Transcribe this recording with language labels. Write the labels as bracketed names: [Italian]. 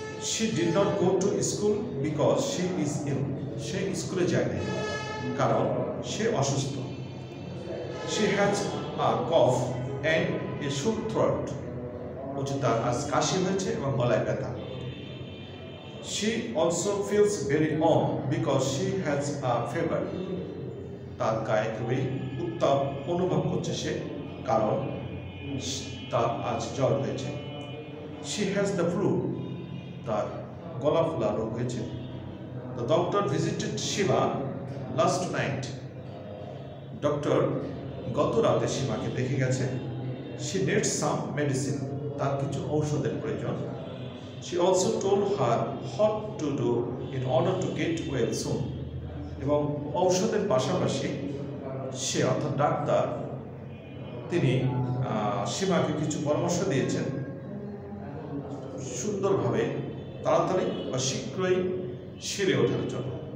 [English] She did not go to school because she is ill. [Bangla] সে স্কুলে যায়নি কারণ সে অসুস্থ। [English] She has a cough and a sore throat. [Bangla] বলছে তার আজ কাশি হয়েছে এবং গলায় ব্যথা। [English] She also feels very warm because she has a fever. [Bangla] তার গায়ে খুবই উত্তাপ অনুভব করছে সে, কারণ তার আজ জ্বর হয়েছে। [English] She has the flu. [Bangla] তার গলা ফোলা রোগ হয়েছে। [English] The doctor visited Shiva last night. [Bangla] Doctor গত রাতে সীমাকে দেখে গেছে। [English] She needs some medicine. [Bangla] তার কিছু ঔষধের প্রয়োজন। [English] She also told her what to do in order to get well soon. [Bangla] এবং ঔষধের পাশাপাশি সে অর্থাৎ ডাক্তার তিনি সীমাকে কিছু পরামর্শ দিয়েছেন সুন্দরভাবে তাড়াতাড়ি বা শীঘ্রই সেরে ওঠার জন্য।